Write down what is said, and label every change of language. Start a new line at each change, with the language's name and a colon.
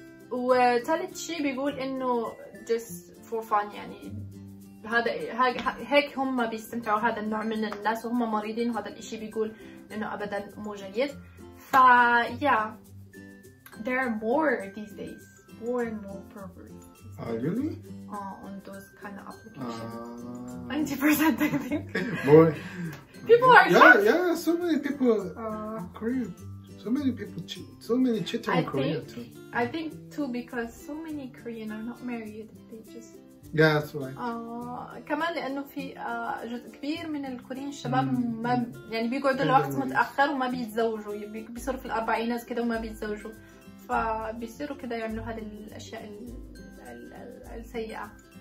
Arabic: وثالث شيء بيقول انه
English: just for fun
Arabic: يعني هذا هيك هم بيستمتعوا هذا النوع من الناس وهم مريضين، وهذا الاشي بيقول انه ابدا مو جيد.
English: ف yeah there are more these days more and more perverts. Really? On those kind of applications. 90% I think. More. People are shocked. Yeah, so many people creep. So many cheating in Korea too. I think too because so many Korean are not married. They just yeah, that's right.
Arabic: كمان لأنه في جزء كبير من الكوريين الشباب ما يعني بيقعدوا الوقت متأخر وما بيتزوجوا، بيصيروا في الأربعينات كده وما بيتزوجوا، فبيصيروا كده يعملوا هذه الأشياء السيئة.